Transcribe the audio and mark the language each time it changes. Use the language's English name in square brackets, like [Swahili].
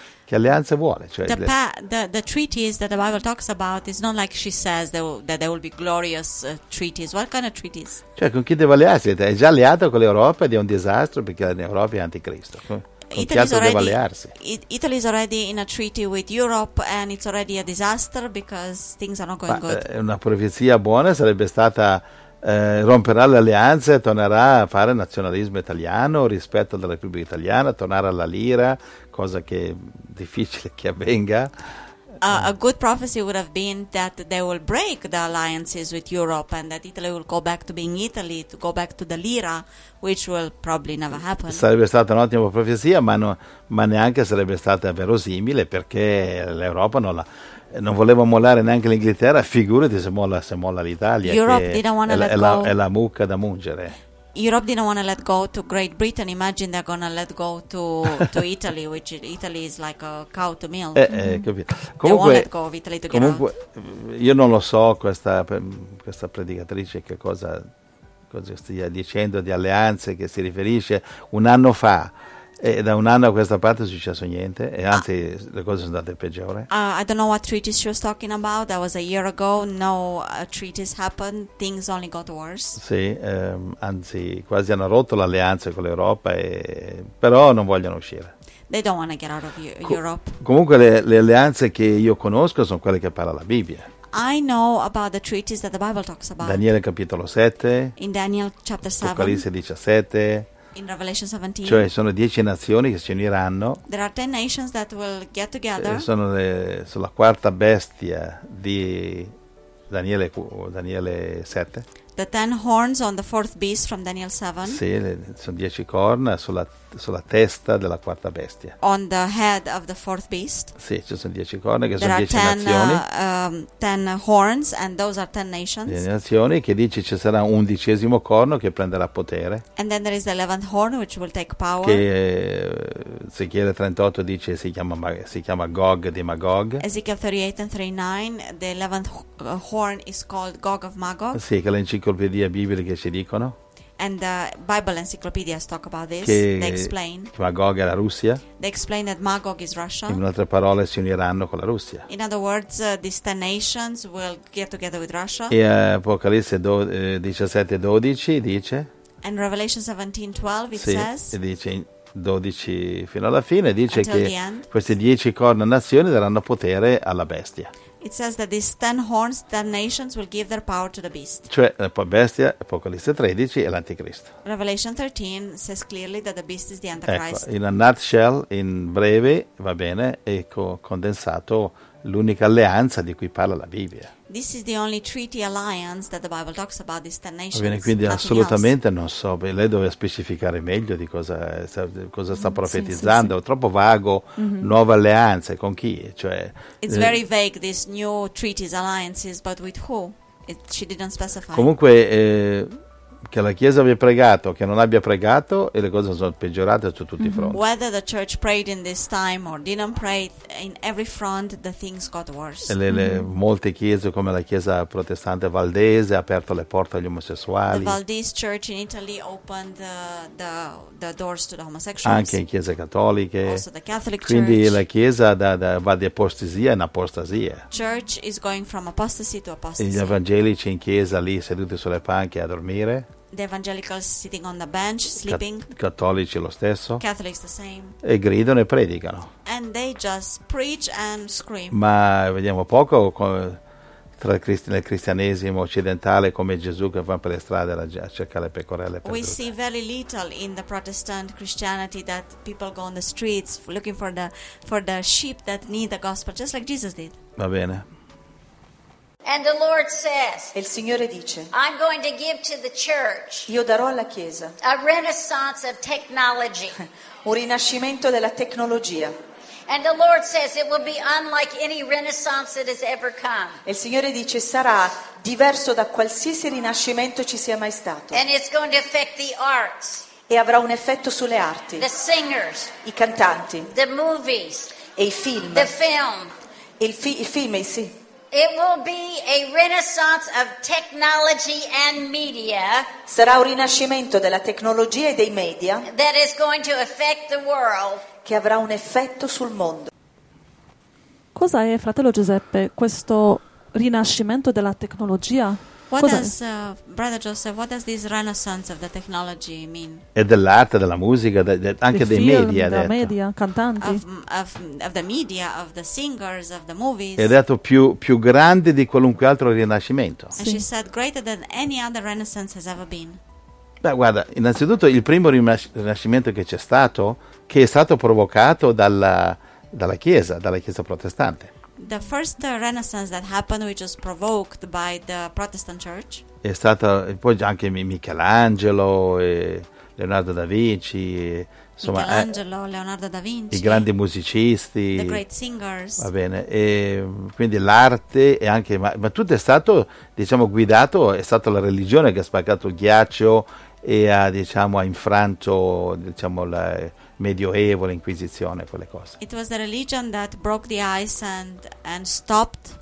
[Italian] Che alleanze vuole? Cioè, [English] the treaties that the Bible talks about is not like she says that there will be glorious treaties. What kind of treaties? [Italian] Cioè, con chi deve allearsi? È già alleato con l'Europa ed è un disastro perché l'Europa è anticristo. [English] Italy is already in a treaty with Europe and it's already a disaster because things are not going good. [Italian] Una profezia buona sarebbe stata romperà le alleanze, tornerà a fare nazionalismo italiano, rispetto alla Repubblica Italiana, tornare alla lira, cosa che è difficile che avvenga. [English] A good prophecy would have been that they will break the alliances with Europe and that Italy will go back to being Italy, to go back to the lira, which will probably never happen. [Italian] Sarebbe stata un'ottima profezia, ma neanche sarebbe stata verosimile, perché l'Europa non voleva mollare neanche l'Inghilterra, figurati se molla l'Italia. [English] Europe [Italian] che [English] didn't want to let go. [Italian] È la mucca da mungere. [English] Europe didn't want to let go to Great Britain. Imagine they're going to let go to Italy, which Italy is like a cow to milk. [Italian] Comunque, [English] they won't let go of Italy to [Italian] comunque, [English] get out. [Italian] Io non lo so questa predicatrice che cosa stia dicendo di alleanze, che si riferisce un anno fa. E da un anno a questa parte è successo niente, e anzi le cose sono andate peggiore. [English] I don't know what treaties she was talking about. That was a year ago. No treaties happened. Things only got worse. [Italian] Sì, anzi quasi hanno rotto l'alleanza con l'Europa, però non vogliono uscire. [English] They don't want to get out of Europe. [Italian] Comunque le alleanze che io conosco sono quelle che parla la Bibbia. [English] I know about the treaties that the Bible talks about. [Italian] Daniele capitolo 7. [English] In Daniel chapter 7. [Italian] Apocalisse 17. [English] In Revelation 17. [Italian] Cioè sono 10 nazioni che si uniranno. [English] There are 10 nations that will get together. [Italian] Sono sulla quarta bestia di Daniele 7. [English] The 10 horns on the fourth beast from Daniel 7. [Italian] Sì, sono 10 corna sulla testa della quarta bestia. [English] On the head of the fourth beast. [Italian] Sì, ci sono 10 corna che [English] There [Italian] sono 10 nazioni. [English] 10 horns and those are 10 nations. [Italian] 10 nazioni che dice ci sarà un undicesimo corno che prenderà potere. [English] And then there is the 11th horn which will take power. [Italian] Che Ezechiele 38 dice si chiama Gog di Magog. [English] Ezekiel 38 and 39 the 11th horn is called Gog of Magog. [Italian] Sì, che le enciclopedie bibliche ci dicono. [English] And the Bible encyclopedias talk about this. They explain [Italian] che Magog è la Russia. [English] They explain that Magog is Russia. [Italian] In altre parole, si uniranno con la Russia. [English] In other words, these 10 nations will get together with Russia. [Italian] E Apocalisse 17:12 dice. [English] And Revelation 17:12 says. [Italian] Dice 12 fino alla fine dice che queste 10 corna nazioni daranno potere alla bestia. [English] It says that these 10 horns, 10 nations will give their power to the beast. [Italian] Cioè la bestia, Apocalisse 13 e l'anticristo. [English] Revelation 13 says clearly that the beast is the Antichrist. [Italian] Ecco, [English] in a nutshell, [Italian] in breve, va bene, ecco, condensato l'unica alleanza di cui parla la Bibbia. [English] This is the only treaty alliance that the Bible talks about, these 10 nations. [Italian] Va bene, quindi assolutamente non so, beh, lei doveva specificare meglio di cosa sta profetizzando, sì, sì, sì. Troppo vago, nuova alleanza, con chi? Cioè, [English] it's very vague, these new treaties, alliances, but with who? She didn't specify. [Italian] Comunque, che la Chiesa abbia pregato, che non abbia pregato, e le cose sono peggiorate su tutti i fronti. [English] Whether the church prayed in this time or didn't pray, in every front the things got worse. [Italian] E le molte chiese, come la Chiesa protestante valdese, ha aperto le porte agli omosessuali. [English] The Valdese Church in Italy opened the doors to the homosexuals. [Italian] Anche in chiese cattoliche. [English] Also the Catholic Church. [Italian] Quindi la Chiesa va di apostasia in apostasia. [English] Church is going from apostasy to apostasy. [Italian] E gli evangelici in chiesa lì seduti sulle panche a dormire. [English] The evangelicals sitting on the bench, sleeping. [Italian] Cattolici lo stesso. [English] Catholics the same. [Italian] E gridano e predicano. [English] And they just preach and scream. [Italian] Ma vediamo poco nel cristianesimo occidentale come Gesù che va per le strade a cercare le pecorelle perdute. [English] We see very little in the Protestant Christianity that people go on the streets looking for the sheep that need the gospel, just like Jesus did. [Italian] Va bene. [English] And the Lord says, [Italian] e il Signore dice, [English] I'm going to give to the church, [Italian] io darò alla Chiesa, [English] a renaissance of technology, [Italian] un rinascimento della tecnologia. [English] And the Lord says it will be unlike any renaissance that has ever come. [Italian] E il Signore dice sarà diverso da qualsiasi rinascimento ci sia mai stato. [English] And it's going to affect the arts. [Italian] E avrà un effetto sulle arti. [English] The singers. [Italian] I cantanti. [English] The movies. [Italian] E i film. [English] The film. [Italian] I film, sì. [English] It will be a renaissance of technology and media. [Italian] Sarà un rinascimento della tecnologia e dei media. [English] That is going to affect the world. [Italian] Che avrà un effetto sul mondo. Cosa è, fratello Giuseppe, questo rinascimento della tecnologia? [English] Brother Joseph, what does this renaissance of the technology mean? [Italian] E dell'arte, della musica, anche dei media, della media, cantanti. [English] Of the media, of the singers, of the movies. [Italian] E ha detto più grande di qualunque altro rinascimento. [English] Sì. And she said greater than any other renaissance has ever been. [Italian] Beh, guarda, innanzitutto il primo rinascimento che c'è stato, che è stato provocato dalla Chiesa protestante. [English] The first renaissance that happened, which was provoked by the Protestant Church. [Italian] È stato poi anche Michelangelo e Leonardo da Vinci. Insomma, [English] Michelangelo, Leonardo da Vinci. [Italian] I grandi musicisti. [English] The great singers. [Italian] Va bene. E quindi l'arte e anche ma tutto è stato, diciamo, guidato. È stata la religione che ha spaccato il ghiaccio e ha infranto, diciamo, la Medioevo, l'Inquisizione, quelle cose. [English] It was the religion that broke the ice and stopped.